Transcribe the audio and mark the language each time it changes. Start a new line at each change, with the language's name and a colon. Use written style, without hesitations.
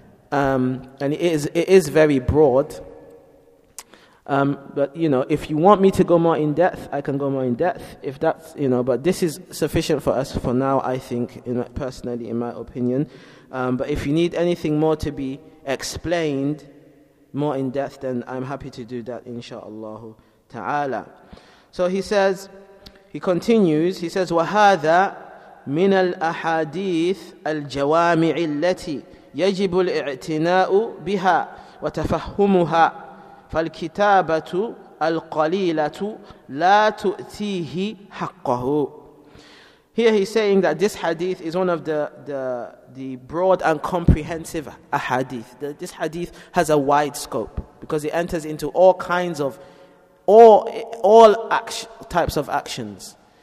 English: And it is very broad. But you know, if you want me to go more in depth, I can go more in depth. If that's, you know, but this is sufficient for us for now, I think, personally, in my opinion. But if you need anything more to be explained more in depth, then I'm happy to do that, insha'Allah ta'ala. So he continues,
Arabic: وَهَذَا مِنَ الْأَحَادِيثِ الْجَوَامِعِ الَّتِي يَجِبُ الْإِعْتِنَاءُ بِهَا وَتَفَهُّمُهَا فَالْكِتَابَةُ الْقَلِيلَةُ لَا تُؤْتِيهِ حَقَّهُ.
English: Here he's saying that this hadith is one of the broad and comprehensive ahadith. This hadith has a wide scope because it enters into all kinds of all types of actions.